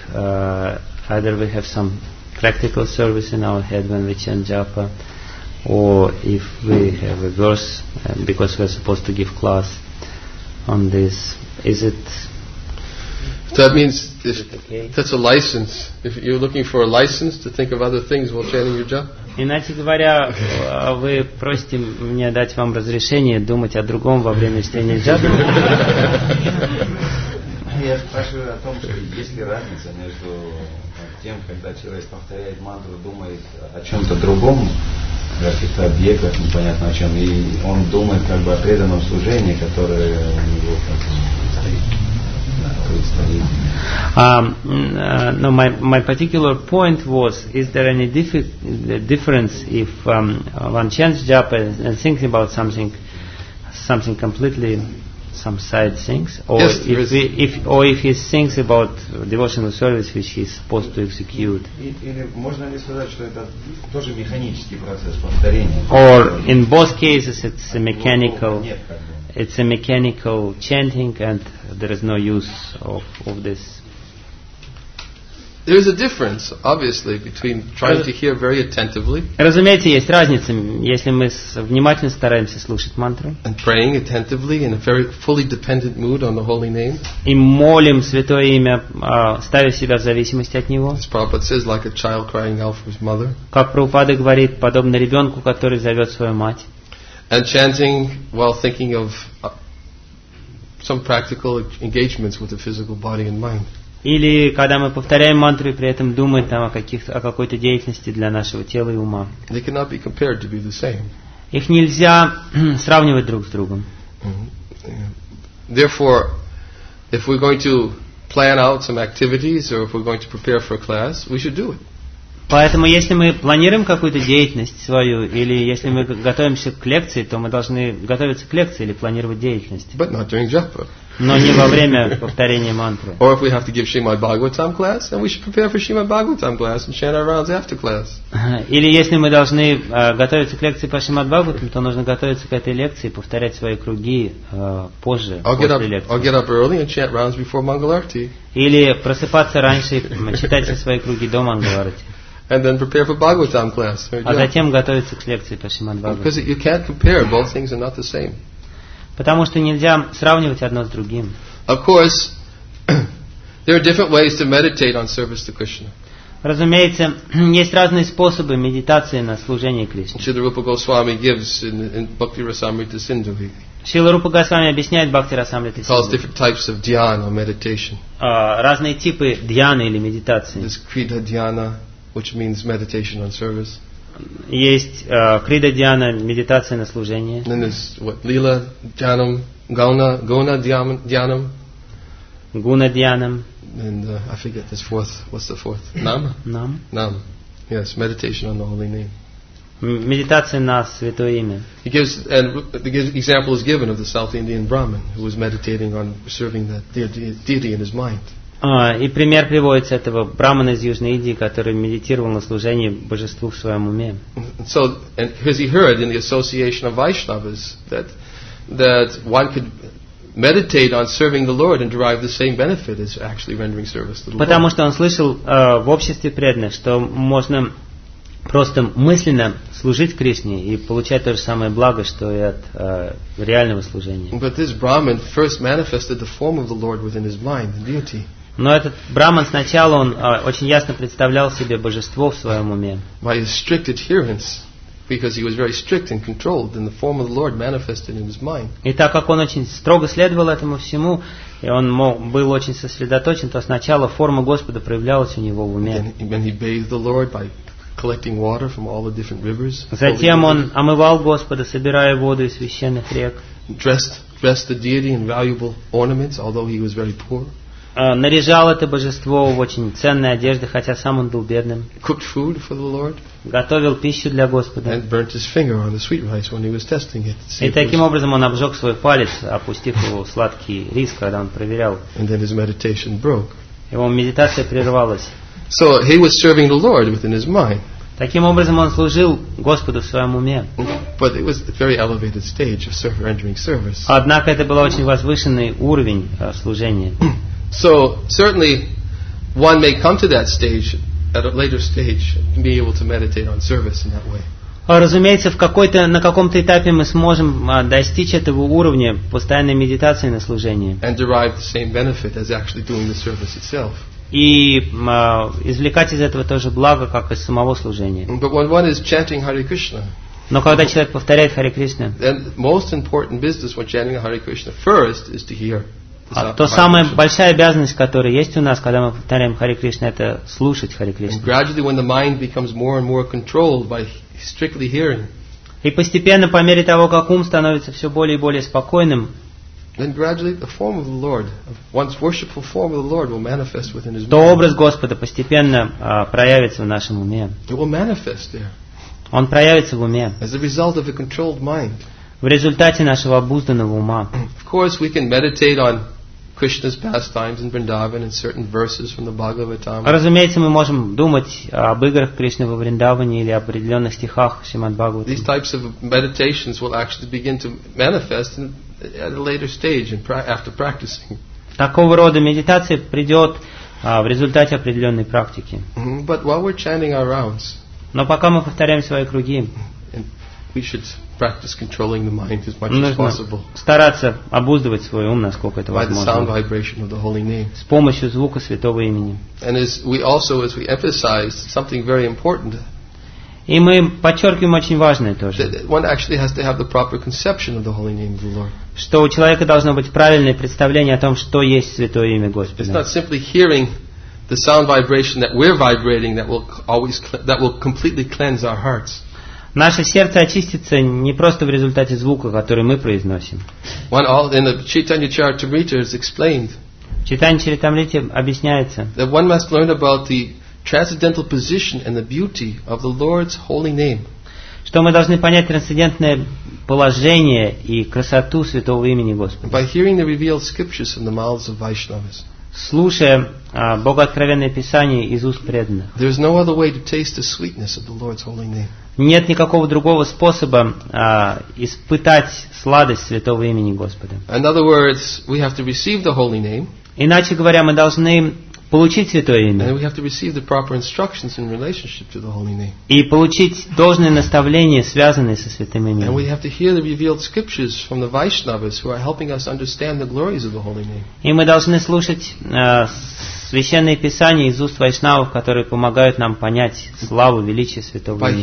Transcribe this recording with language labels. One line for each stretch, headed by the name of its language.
English: Either we have some practical service in our head when we chant japa, or if we have a verse, because we are supposed to give class on this, is it? That means if okay. That's a license. If you're looking for a license to think of other things while chanting your japa.
Russian: Иначе говоря, вы просите мне дать вам разрешение думать о другом во время чтения джапы? Я спрашиваю о том, что есть ли разница между тем, когда человек повторяет мантру, думает о чем-то другом, о каких-то объектах, непонятно о чем, и он думает как бы о преданном служении, которое у него как бы предстоит.
English: My particular point was, is there any difference if one chants japa and thinks about something completely, some side things, or yes, if he thinks about devotional service which he's supposed to execute? Or in both cases it's a mechanical. It's a mechanical chanting, and there is no use of this. There is a difference, obviously, between trying to hear very attentively.
Russian: Разумеется, есть разница, если мы внимательно стараемся слушать мантру.
English: And praying attentively in a very fully dependent mood on the holy name.
Russian: И молим святое имя, ставя себя в зависимости от него.
English: As Prabhupada says, like a child crying out for his mother.
Russian: Как Прабхупада говорит, подобно ребенку, который зовет свою мать.
English: And chanting while thinking of some practical engagements with the physical body and mind.
Russian: Или когда мы повторяем мантру и при этом думаем там о какой-то деятельности для нашего тела и ума.
English: They cannot be compared to be the same.
Russian: Их нельзя сравнивать друг с другом.
English: Therefore, if we're going to plan out some activities or if we're going to prepare for a class, we should do it.
Russian: Поэтому, если мы планируем какую-то деятельность свою, или если мы готовимся к лекции, то мы должны готовиться к лекции или планировать деятельность.
English: But not during japa.
Russian: Но не во время повторения мантры.
English: Or if we have to give Srimad Bhagavatam class, then we should prepare for Srimad Bhagavatam class and chant our rounds after class.
Russian: Или если мы должны готовиться к лекции по Шримад Бхагаватам, то нужно готовиться к этой лекции и повторять свои круги позже, после лекции.
English: I'll get up early and chant rounds before Mangal Arati.
Russian: Или просыпаться раньше и читать все свои круги до Mangal Arati.
English: And then prepare for Bhagavatam class.
Russian: А затем готовиться к лекции по Шримад Бхагаватам.
English: Because you can't compare, both things are not the same.
Russian: Потому что нельзя сравнивать одно с другим.
English: Of course, there are different ways to meditate on service to Krishna.
Russian: Разумеется, есть разные способы медитации на служение Кришне.
English: Shri Rupa Goswami gives in Bhakti Rasamrita Sindhu.
Russian: Шрила Рупа Госвами объясняет Бхакти Расамрита Сингху.
English: Calls different types of dhyana or meditation.
Russian: Разные типы дьяны или медитации.
English: There's Kriya Dhyana, which means meditation on service.
Russian: Есть крида дьяна, медитация на служение.
English: Then there's лила дьянам, гауна, гуна дьянам.
Russian: Гуна дьянам.
English: And I forget this fourth. What's the fourth? Нам?
Russian: Нам.
English: Нам. Yes, meditation on the holy name.
Russian: Медитация на святое имя.
English: He gives, and the example is given of the South Indian Brahmin who was meditating on serving that deity in his mind.
Russian: И пример приводится этого брахмана из Южной Индии, который медитировал на служении божеству в своем уме.
English: So, and because he heard in the association of Vaishnavas that one could meditate on serving the Lord and derive the same benefit as actually rendering service to the Lord.
Russian: Потому что он слышал в обществе преданных, что можно просто мысленно служить Кришне и получать то же самое благо, что и от реального служения.
English: But this Brahmin first manifested the form of the Lord within his mind, the deity.
Russian: Но этот Брахман сначала он очень ясно представлял себе божество в своем уме.
English: By his strict adherence, because he was very strict and controlled, and the form of the Lord manifested in his mind.
Russian: И так как он очень строго следовал этому всему, и он был очень сосредоточен, то сначала форма Господа проявлялась у него в уме.
English: Then he bathed the Lord by collecting water from all the different rivers.
Russian: Затем он омывал Господа, собирая воду из священных рек.
English: Dressed the deity in valuable ornaments, although he was very poor.
Russian: Наряжал это божество в очень ценные одежды, хотя сам он был бедным.
English: Cooked food for the Lord.
Russian: Готовил пищу для Господа.
English: And burnt his finger on the sweet rice when he was testing it.
Russian: И таким образом он обжег свой палец, опустив его в сладкий рис, когда он проверял.
English: And then his meditation broke.
Russian: Его медитация прервалась.
English: So he was serving the Lord within his mind.
Russian: Таким образом он служил Господу в своем уме.
English: But it was a very elevated stage of rendering service.
Russian: Однако это был очень возвышенный уровень служения.
English: So certainly one may come to that stage at a later stage and be able to meditate on service in that way.
Russian: Разумеется, на каком-то этапе мы сможем достичь этого уровня постоянной медитации на служении.
English: And derive the same benefit as actually doing the service itself.
Russian: И извлекать из этого тоже благо, как из самого служения.
English: But when one is chanting Hare Krishna,
Russian: но когда человек повторяет Харе Кришна,
English: then most important business when chanting Hare Krishna first is to hear.
Russian: То самая большая обязанность, которая есть у нас, когда мы повторяем Харе Кришна, это слушать Харе Кришна. И постепенно, по мере того, как ум становится все более и более спокойным,
English: then gradually the form of the Lord, one's worshipful form of the Lord, will manifest within his mind.
Russian: То образ Господа постепенно проявится в нашем уме.
English: It will manifest there.
Russian: Он проявится в уме.
English: As a result of a controlled mind.
Russian: В результате нашего обузданного ума.
English: Of course, we can meditate on Krishna's pastimes in Vrindavan and certain verses from the Bhagavatam.
Russian: Разумеется, мы можем думать об играх Кришны во Вриндаване или об определенных стихах Шримад Бхагаватам.
English: These types of meditations will actually begin to manifest in at a later stage and after practicing.
Russian: Такого рода медитация придет в результате определенной практики.
English: But while we're chanting our rounds,
Russian: но пока мы повторяем свои круги,
English: we should practice controlling the mind as much as possible.
Russian: Стараться обуздывать свой ум, насколько это возможно.
English: By the sound vibration of the holy name.
Russian: С помощью звука святого имени.
English: And as we emphasize something very important.
Russian: И мы подчеркиваем очень важное тоже.
English: One actually has to have the proper conception of the holy name of the Lord.
Russian: Что у человека должно быть правильное представление о том, что есть святое имя Господа.
English: It's not simply hearing the sound vibration that we're vibrating that will completely cleanse our hearts.
Russian: Наше сердце очистится не просто в результате звука, который мы произносим.
English: In the Chaitanya Charitamrita is explained.
Russian: В Чайтанья Чаритамрите объясняется.
English: That one must learn about the transcendental position and the beauty of the Lord's holy name.
Russian: Что мы должны понять трансцендентное положение и красоту святого имени Господа.
English: By hearing the revealed scriptures from the mouths of Vaishnavas.
Russian: Слушая богооткровенное писание из уст преданных.
English: There is no other way to taste the sweetness of the Lord's holy name.
Russian: Нет никакого другого способа испытать сладость святого имени Господа.
English: In other words, we have to receive the holy name.
Russian: Иначе говоря, мы должны получить святое имя.
English: And we have to receive the proper instructions in relationship to the holy name.
Russian: И получить должное наставление, связанное со святым именем.
English: And we have to hear the revealed scriptures from the Vaishnavas who are helping us understand the glories of the holy name.
Russian: И мы должны слушать священные писания из уст вайшнавов, которые помогают нам понять славу, величие святого имени.